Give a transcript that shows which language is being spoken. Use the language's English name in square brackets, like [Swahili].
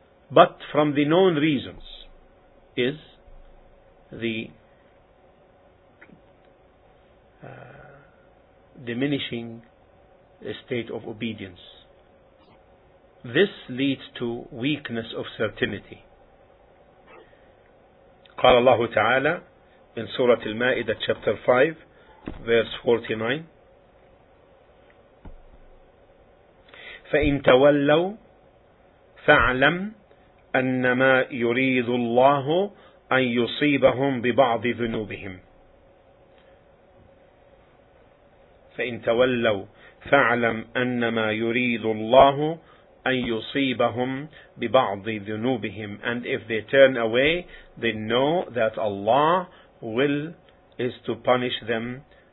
[English] But from the known reasons is the diminishing a state of obedience. This leads to weakness of certainty. [Arabic] قال الله تعالى [English] in Surah Al-Ma'idah chapter 5 verse 49, [Arabic] فَإِن تَوَلَّوْا فَاعْلَمْ أَنَّمَا يُرِيدُ اللَّهُ أَن يُصِيبَهُمْ بِبَعْضِ ذُنُوبِهِمْ فَإِن تَوَلَّوْا فَاعْلَمْ أَنَّمَا يُرِيدُ اللَّهُ أَن يُصِيبَهُمْ بِبَعْضِ ذُنُوبِهِمْ. [English] And if they turn away, they know that Allah will is to punish them.